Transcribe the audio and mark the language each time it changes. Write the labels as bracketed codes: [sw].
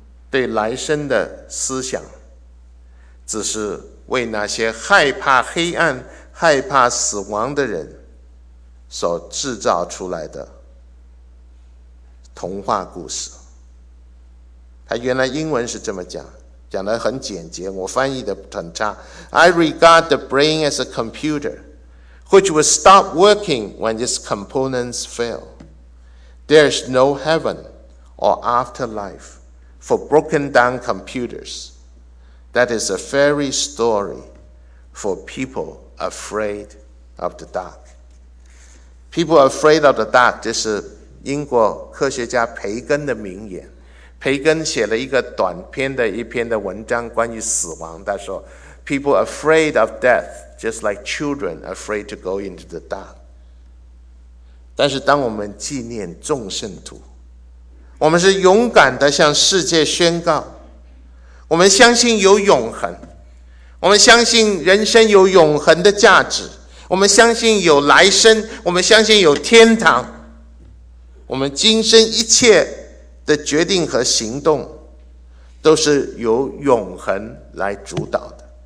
[zh] 对来生的思想只是为那些害怕黑暗害怕死亡的人所制造出来的童话故事。他原来英文是这么讲，讲得很简洁，我翻译的很差。 [en] I regard the brain as a computer which will stop working when its components failThere is no heaven or afterlife for broken down computers. That is a fairy story for people afraid of the dark. People afraid of the dark, [zh] 这是英国科学家培根的名言。培根写了一个短篇的一篇的文章关于死亡，他说 [en] People afraid of death, just like children afraid to go into the dark. [zh] 但是当我们纪念众圣徒，我们是勇敢地向世界宣告，我们相信有永恒，我们相信人生有永恒的价值，我们相信有来生，我们相信有天堂，我们今生一切的决定和行动都是由永恒来主导的。